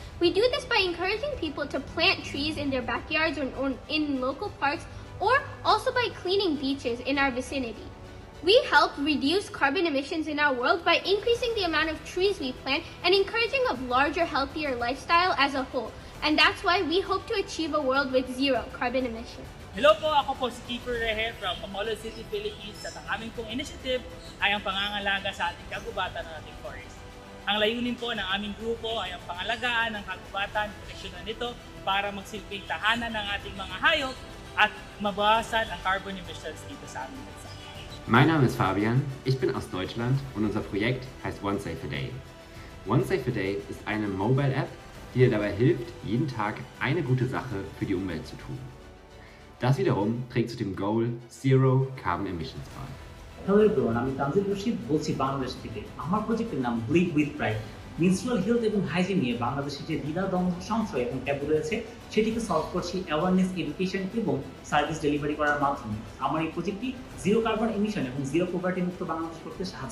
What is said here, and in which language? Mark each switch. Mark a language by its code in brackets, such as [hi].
[en] We do this by encouraging people to plant trees in their backyards or in local parks, or also by cleaning beaches in our vicinity. We help reduce carbon emissions in our world by increasing the amount of trees we plant and encouraging a larger, healthier lifestyle as a whole. And that's why we hope to achieve a world with zero carbon emissions. [tl] Hello po, ako po si Keeper Rehe from Pakolo City, Philippines. At ang aming pong initiative ay ang pangangalaga sa ating kagubatan ng ating forest. Ang layunin po ng aming grupo ay ang pangalagaan ng kagubatan, protection na nito para magsilbing tahanan ng ating mga hayop at mabawasan ang carbon emissions dito sa aming bansa. [en] My name is Fabian, [de] ich bin aus Deutschland und unser Projekt heißt One Safe a Day. One Safe a Day ist eine Mobile App, die dir dabei hilft, jeden Tag eine gute Sache für die Umwelt zu tun. Das wiederum trägt zu dem Goal Zero Carbon Emissions bei. [en] Hello everyone, I'm Tanzil Rashid, Bolsi Bangladesh today. Our project is named Bleed with Pride. Menstrual health and hygiene in Bangladesh is a daily concern and taboo. We solve the awareness, education, and service delivery for our mouth. Our project is zero carbon emission and zero poverty in Bangladesh.